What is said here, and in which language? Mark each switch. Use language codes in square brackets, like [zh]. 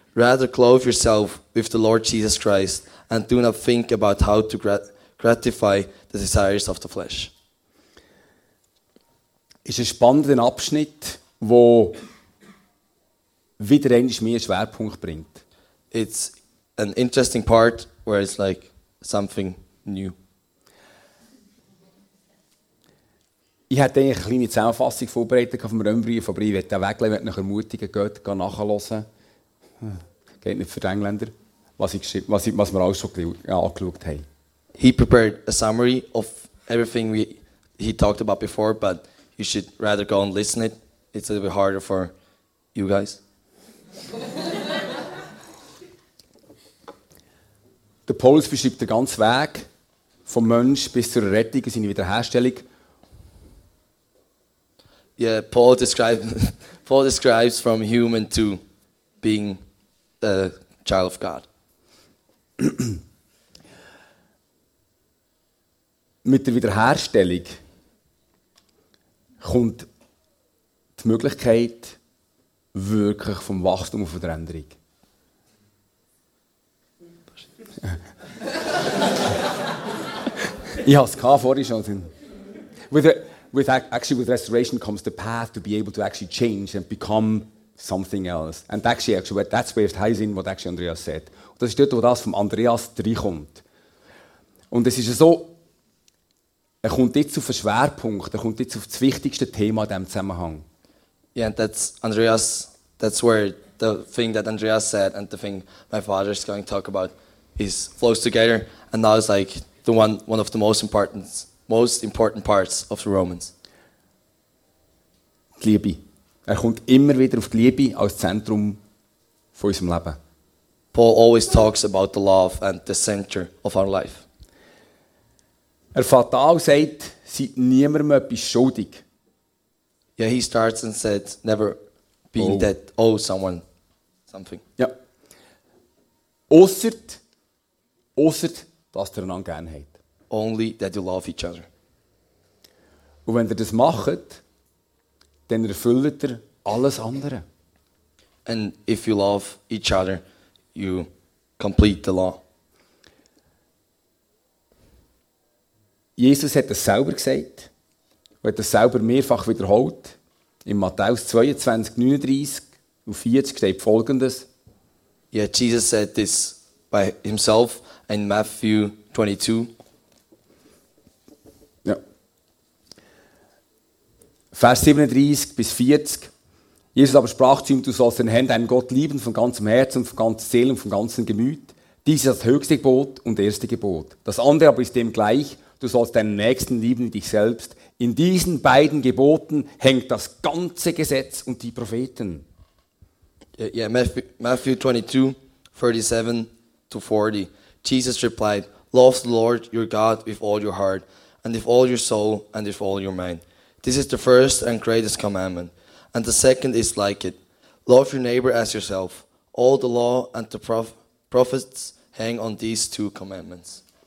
[en] Rather, clothe yourself with the Lord Jesus Christ and do not think about how to gratify the desires of the flesh. [de] Ist ein spannender Abschnitt, wo wieder einmal mehr Schwerpunkt bringt. [en] It's an interesting part where it's like something new. [de] Ich hatte eine kleine Zusammenfassung vorbereitet vom Römerbrief, aber ich möchte weglegen, ich möchte euch ermutigen, geht nachhören. Geht nicht für die Engländer, was wir alles schon angeschaut haben. [en] He prepared a summary of everything he talked about before, but you should rather go and listen it. It's a little bit harder for you guys. [de] Der Paulus beschreibt den ganzen Weg vom Mensch bis zur Rettung, seine Wiederherstellung. [en] Yeah, Paul describes from human to being a child of God. [de] Mit der Wiederherstellung kommt die Möglichkeit wirklich vom Wachstum und von der Änderung. Ich habe es gehabt, vorhin schon. [en] With restoration comes the path to be able to actually change and become something else. And actually that's where it ties in what actually Andreas said. [de] Und das ist dort, wo das von Andreas reinkommt. Und es ist so, er kommt jetzt auf den Schwerpunkt, er kommt jetzt auf das wichtigste Thema in diesem Zusammenhang. [en] Yeah, and that's where the thing that Andreas said and the thing my father is going to talk about is flows together. And now it's like the one of the most important parts of the Romans. [de] Die Liebe. Er kommt immer wieder auf die Liebe als Zentrum von unserem Leben. [en] Paul always talks about the love and the center of our life. [de] Er fatal sagt, seid niemandem etwas schuldig. [en] Yeah, he starts and said, never being that owe someone something. [de] Ja. Ausser, dass ihr einander gern habt. [en] Only that you love each other. [de] Und wenn ihr das macht, dann erfüllt ihr alles andere. [en] And if you love each other, you complete the law. [de] Jesus hat es selber gesagt und hat es selber mehrfach wiederholt. In Matthäus 22, 39 und 40 steht Folgendes. [en] Yeah, Jesus said this by himself in Matthew 22. [de] Vers 37 bis 40. Jesus aber sprach zu ihm, du sollst den Herrn, deinen Gott lieben, von ganzem Herzen, von ganzer Seele und von ganzem Gemüt. Dies ist das höchste Gebot und erste Gebot. Das andere aber ist dem gleich, du sollst deinen Nächsten lieben wie dich selbst. In diesen beiden Geboten hängt das ganze Gesetz und die Propheten. [en] Yeah, Matthew 22, 37 to 40. Jesus replied, love the Lord your God with all your heart and with all your soul and with all your mind. This is the first and greatest commandment. And the second is like it. Love your neighbor as yourself. All the law and the prophets hang on these two commandments.